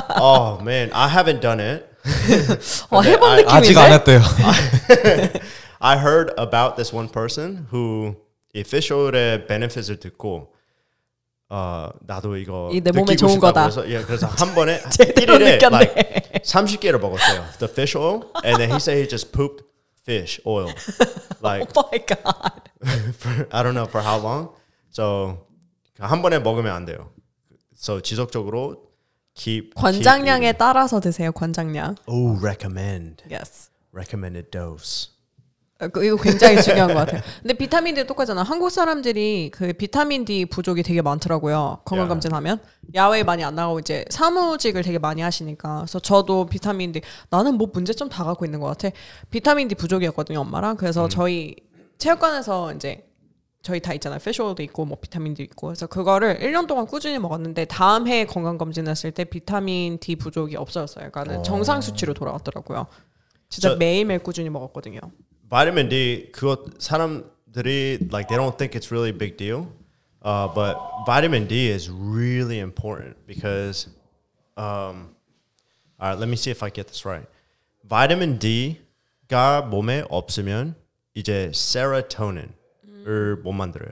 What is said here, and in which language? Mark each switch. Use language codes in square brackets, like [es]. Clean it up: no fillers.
[en] Oh man, I haven't done it. [ko] 어, 해본 느낌인데. 아직 안 했대요. [en] I heard about this one person who fish oil의 benefits을 [ko] 듣고 나도 이거 이 내 몸에 좋은 거다. 그래서, 예, 그래서 한 번에 제대로 느꼈네. [en] Like, [ko] 30개를 먹었어요. [en] The fish oil. And then he said he just pooped fish oil. Like, oh my god. I don't know for how long. [ko] So 한 번에 먹으면 안 돼요. So 지속적으로 keep 권장량에 keep 따라서 드세요. 권장량. [en] Oh, recommend. Yes. Recommended dose. [ko] 이거 굉장히 중요한 것 같아요. 근데 비타민 D 똑같잖아. 한국 사람들이 그 비타민 D 부족이 되게 많더라고요. 건강검진하면. Yeah. 야외에 많이 안 나가고 이제 사무직을 되게 많이 하시니까. 그래서 저도 비타민 D 나는 뭐 문제점 다 갖고 있는 것 같아. 비타민 D 부족이었거든요, 엄마랑. 그래서 저희 체육관에서 이제 저희 다 있잖아요. 피셜도 있고 뭐 비타민 D 있고. 그래서 그거를 1년 동안 꾸준히 먹었는데 다음 해 건강검진했을 때 비타민 D 부족이 없어졌어요. 그러니까 정상 수치로 돌아왔더라고요. 진짜 매일매일 꾸준히 먹었거든요. [en] Vitamin D, [ko] 그거 사람들이 [en] like they don't think it's really a big deal, but vitamin D is really important because, all right, let me see if I get this right. [ko] Vitamin D가 몸에 없으면 이제 세로토닌을 못 만들어요.